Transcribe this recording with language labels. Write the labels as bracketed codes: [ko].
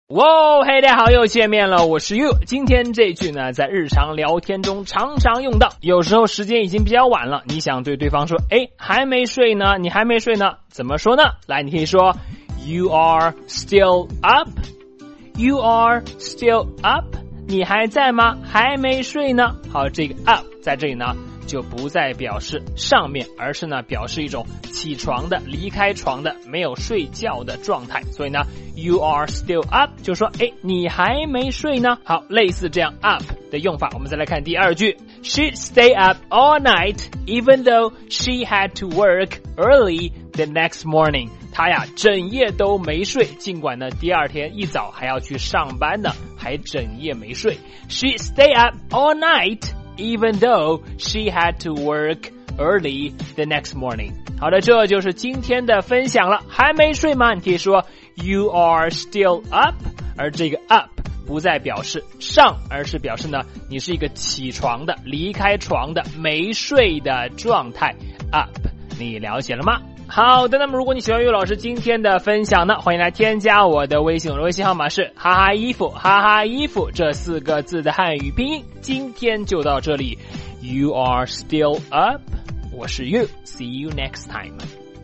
[zh] 哇嘿，大家好，又见面了，我是 You。今天这句呢，在日常聊天中常常用到，有时候时间已经比较晚了，你想对对方说，诶，还没睡呢，你还没睡呢，怎么说呢？来，你可以说 [en] You are still up， You are still up， [zh] 你还在吗？还没睡呢。好，这个 up 在这里呢就不再表示上面，而是呢表示一种起床的、离开床的、没有睡觉的状态。所以呢 [en] You are still up [zh] 就说诶，你还没睡呢。好，类似这样 up 的用法，我们再来看第二句。 [en] She stayed up all night even though she had to work early the next morning。 [zh] 她呀整夜都没睡，尽管呢第二天一早还要去上班呢，还整夜没睡。 [en] She stayed up all nightEven though she had to work early the next morning。 [zh] 好的，这就是今天的分享了。还没睡吗？你可以说 [en] You are still up， [zh] 而这个 up 不再表示上，而是表示呢你是一个起床的、离开床的、没睡的状态。 up， 你了解了吗？好的，那么如果你喜欢于老师今天的分享呢，欢迎来添加我的微信，我的微信号码是哈哈衣服，哈哈衣服这四个字的汉语拼音。今天就到这里， [en] You are still up， [zh] 我是 [en] You， See you next time。